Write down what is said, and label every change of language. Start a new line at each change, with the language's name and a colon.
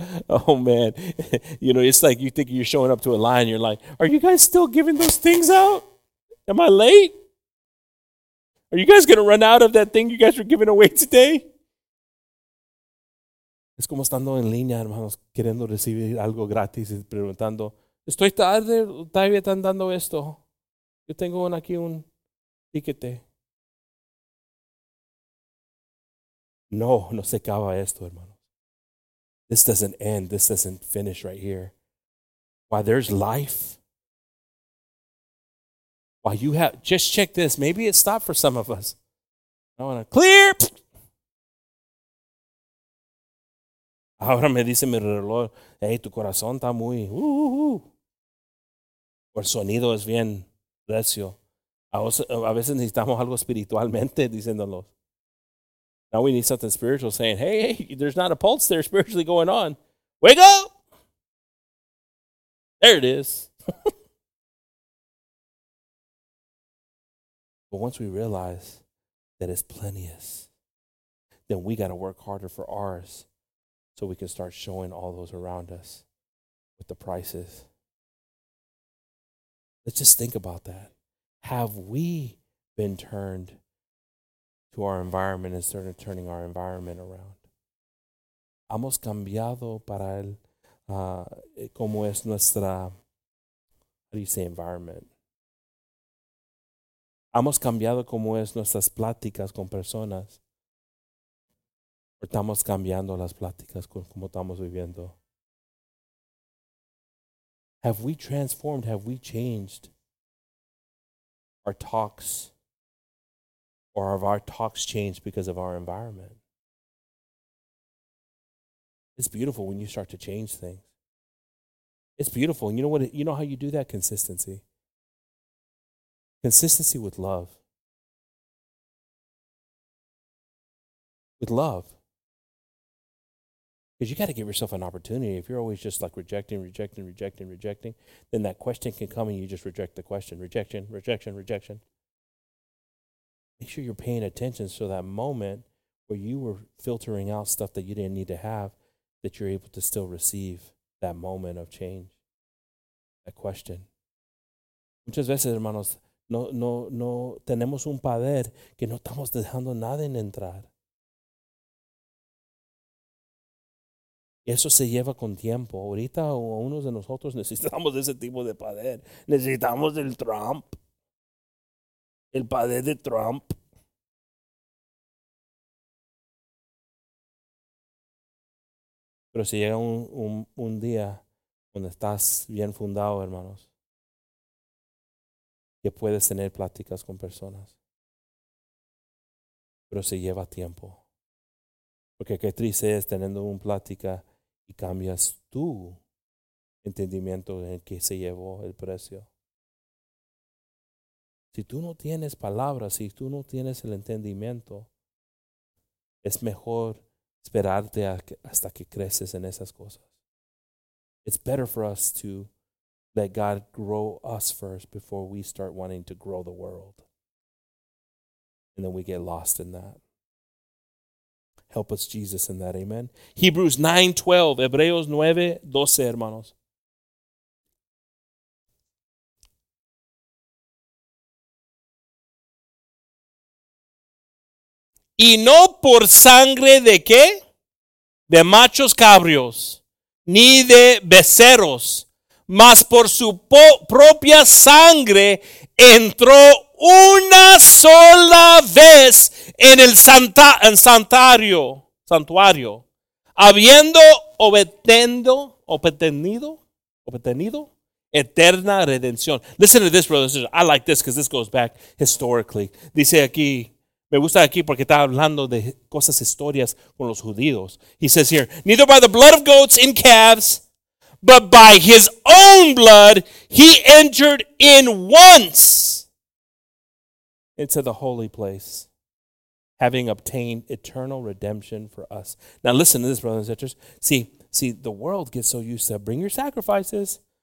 English: Oh man, you know, it's like you think you're showing up to a line, you're like, are you guys still giving those things out? Am I late? Are you guys gonna run out of that thing you guys were giving away today?
Spanish: Es como estando en línea, hermanos, queriendo recibir algo gratis y preguntando, ¿estoy tarde? ¿Todavía están dando esto? Yo tengo aquí un piquete. No, no se acaba esto, hermano.
English: This doesn't end. This doesn't finish right here. While there's life, while you have, just check this. Maybe it stopped for some of us. I want to clear.
Spanish: Ahora me dice mi reloj, hey, tu corazón está muy, por sonido es bien recio. A veces necesitamos algo espiritualmente, diciéndolos.
English: Now we need something spiritual saying, hey, there's not a pulse there spiritually going on. Wake up! There it is. But once we realize that it's plenteous, then we got to work harder for ours so we can start showing all those around us what the price is. Let's just think about that. Have we been turned to our environment and started turning our environment around?
Spanish: ¿Hemos cambiado para el, cómo es nuestra,
English: how do you say environment?
Spanish: ¿Hemos cambiado cómo es nuestras pláticas con personas? ¿O estamos cambiando las pláticas con cómo estamos viviendo?
English: Have we transformed, have we changed our talks? Or have our talks changed because of our environment? It's beautiful when you start to change things. It's beautiful. And you know what? You know how you do that? Consistency. Consistency with love. With love. Because you got to give yourself an opportunity. If you're always just like rejecting, then that question can come and you just reject the question. Rejection. Make sure you're paying attention so that moment or you were filtering out stuff that you didn't need to have, that you're able to still receive that moment of change, that question.
Spanish: Muchas veces, hermanos, no tenemos un poder que no estamos dejando nada en entrar. Y eso se lleva con tiempo. Ahorita unos de nosotros necesitamos ese tipo de poder. Necesitamos el Trump. El poder de Trump. Pero si llega un día donde estás bien fundado, hermanos, que puedes tener pláticas con personas. Pero se lleva tiempo. Porque qué triste es teniendo una plática y cambias tu entendimiento en que se llevó el precio. Si tú no tienes palabras, si tú no tienes el entendimiento, es mejor esperarte hasta que creces en esas cosas.
English: It's better for us to let God grow us first before we start wanting to grow the world. And then we get lost in that. Help us, Jesus, in that. Amen.
Spanish: Hebreos 9:12, hermanos. Y no por sangre de qué? De machos cabrios, ni de becerros, mas por su propia sangre entró una sola vez en el santuario, habiendo obtenido eterna redención.
English: Listen to this, brothers. I like this because this goes back historically.
Spanish: Dice aquí, me gusta aquí porque está hablando de cosas historias con los judíos.
English: He says here, neither by the blood of goats and calves, but by his own blood, he entered in once into the holy place, having obtained eternal redemption for us. Now listen to this, brothers and sisters. See, the world gets so used to, bring your sacrifices.